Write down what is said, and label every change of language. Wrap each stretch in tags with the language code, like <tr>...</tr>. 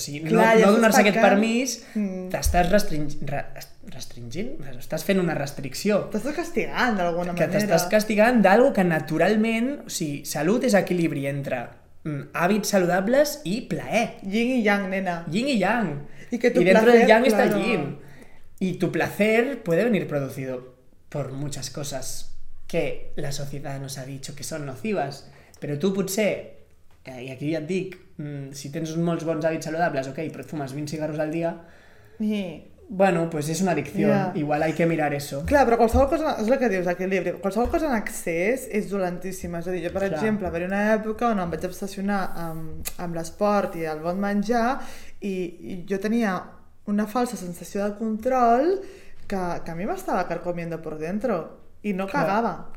<ca>O sigui, no donar-se aquest permís, t'estàs restringint? Estàs fent una restricció. T'estàs castigant, d'alguna manera. Que t'estàs castigant d'algo que naturalment... O sigui, salut és equilibri entre hàbits saludables i plaer. Yin i yang, nena. Yin i yang. I que tu</ca> <es>placer... I dentro placer,</es> <ca>del yang, claro, està el yin.</ca> <es>I tu placer puede venir producido por muchas cosas que la sociedad nos ha dicho que son nocivas.</es> <ca>Però tu potser, i aquí ja et dic, si tens uns molts bons hàbits saludables, ok, però fumes 20 cigarros al dia... I...</ca> <es>Bueno, pues es una adicción, yeah. Igual hay que mirar eso.</es> <ca>Clar, però qualsevol cosa, és el que dius, equilibri, qualsevol cosa en excés és dolentíssima. És a dir, jo, per exemple, va haver una època on em vaig obsessionar amb l'esport i el bon menjar i jo tenia una falsa sensació de control que a mi m'estava</ca> <es>carcomiendo por dentro</es> <ca>i no cagava.</ca>